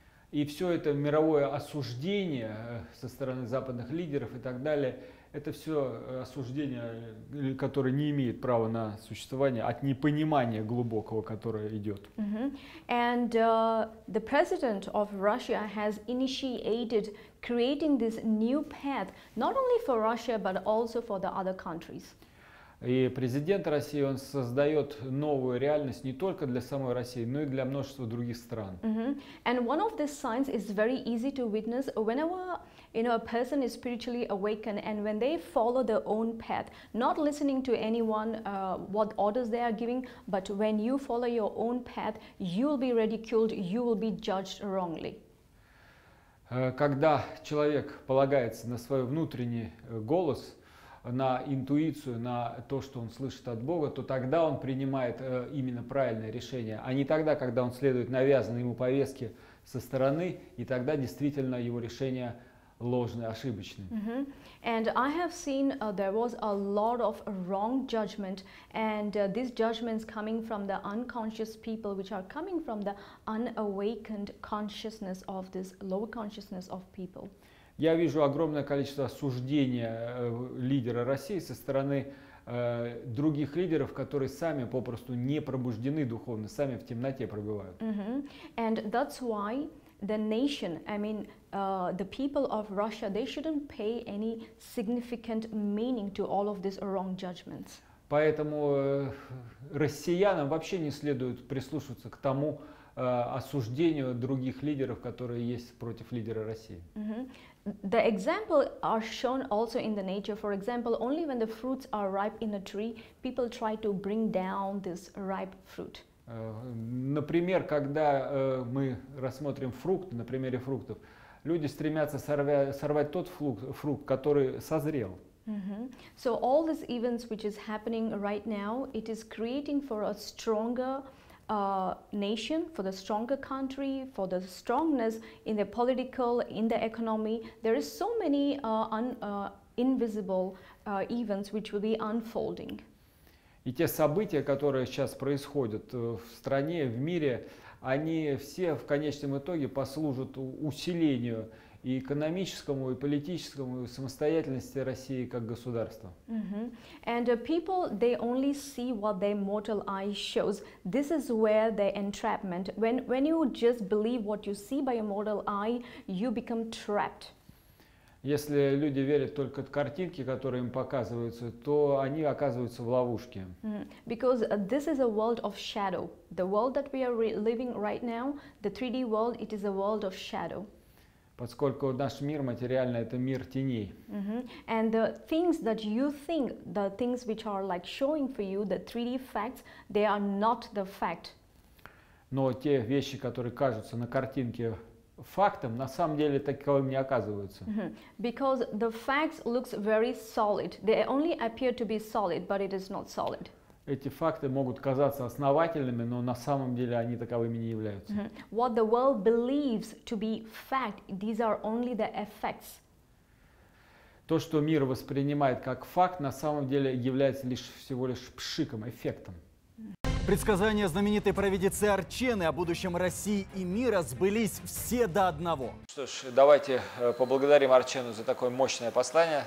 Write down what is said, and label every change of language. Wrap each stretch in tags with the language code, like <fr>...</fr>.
<ru>И все это мировое осуждение со стороны западных лидеров и так далее, это все осуждение, которое не имеет права на существование от непонимания глубокого, которое идет.</ru> <en>And the president of Russia has initiated creating this new path, not only for Russia, but also for the other countries.</en> <ru>И президент России, он создает новую реальность не только для самой России, но и для множества других стран.</ru> <en>And one of these signs is very easy to witness. Whenever, you know, a person is spiritually awakened, and when they follow their own path, not listening to anyone, what orders they are giving, but when you follow your own path, you will be ridiculed, you will be judged wrongly.</en> <ru>Когда человек полагается на свой внутренний голос, на интуицию, на то, что он слышит от Бога, то тогда он принимает именно правильное решение, а не тогда, когда он следует навязанной ему повестке со стороны, и тогда действительно его решение ложное, ошибочное.</ru> <en>And I have seen there was a lot of wrong judgment, and these judgments coming from the unconscious people, which are coming from the unawakened consciousness of this lower consciousness of people.</en> <ru>Я вижу огромное количество осуждения лидера России со стороны других лидеров, которые сами попросту не пробуждены духовно, сами в темноте пребывают.</ru> <en>And that's why the nation, I mean, the people of Russia, they shouldn't pay any significant meaning to all of these wrong judgments.</en> <ru>Поэтому россиянам вообще не следует прислушиваться к тому, осуждению других лидеров, которые есть против лидера России.</ru> <en>The example are shown also in the nature. For example, only when the fruits are ripe in a tree, people try to bring down this ripe fruit.</en> <ru>Например, когда мы рассмотрим фрукт на примере фруктов, люди стремятся сорвать тот фрукт, который созрел.</ru> <en>So all these events which is happening right now, it is creating for a stronger nation, for the stronger country, for the strongness in the political, in the economy. There is so many invisible events which will be unfolding.</en> <ru>И те события, которые сейчас происходят в стране, в мире, они все в конечном итоге послужат усилению и экономическому, и политическому, и самостоятельности России как государства.</ru> <en>And people, they only see what their mortal eye shows. This is where the entrapment. When you just believe what you see by your mortal eye, you become trapped.</en> <ru>Если люди верят только в картинки, которые им показываются, то они оказываются в ловушке.</ru> <en>Because this is a world of shadow. The world that we are living right now, the 3D world, it is a world of shadow.</en> <ru>Поскольку наш мир материальный — это мир теней.</ru> <en>And the things that you think, the things which are like showing for you, the 3D facts, they are not the fact.</en> <ru>Но те вещи, которые кажутся на картинке фактом, на самом деле таковым не оказываются.</ru> <en>Because the facts look very solid. They only appear to be solid, but it is not solid.</en> <ru>Эти факты могут казаться основательными, но на самом деле они таковыми не являются.</ru> <en>What the world believes to be fact, these are only the effects.</en> <ru>То, что мир воспринимает как факт, на самом деле является лишь всего лишь пшиком, эффектом. Предсказания знаменитой провидицы Арчены о будущем России и мира сбылись все до одного. Что ж, давайте поблагодарим Арчену за такое мощное послание.</ru>